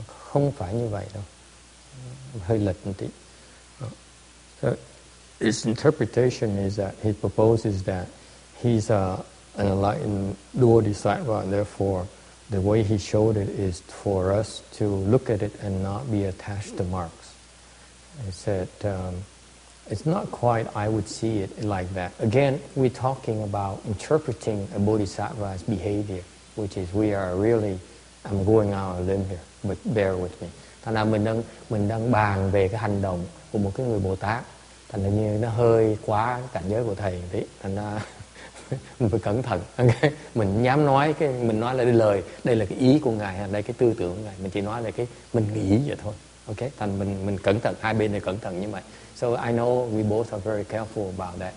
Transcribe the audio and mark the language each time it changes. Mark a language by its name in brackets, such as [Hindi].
[Vietnamese] Không phải như vậy đâu, hơi lệch một tí. [English] So his interpretation is that he proposes that he's an enlightened dual disciple, and therefore the way he showed it is for us to look at it and not be attached to marks. He said it's not quite, I would see it like that. Again, we're talking about interpreting a bodhisattva's behavior, which is we are really, I'm going out on a limb here, but bear with me. [Vietnamese] Thành ra mình đang bàn về cái hành động của một cái người Bồ Tát. Thành ra như nó hơi quá cảnh giới của thầy một tí. Thành ra mình phải cẩn thận. Okay? Mình dám nói cái, mình nói là cái lời, đây là cái ý của Ngài, đây cái tư tưởng của Ngài. Mình chỉ nói là cái, mình nghĩ vậy thôi. Okay? Thành mình cẩn thận, hai bên này cẩn thận như vậy. [English] So I know we both are very careful about that.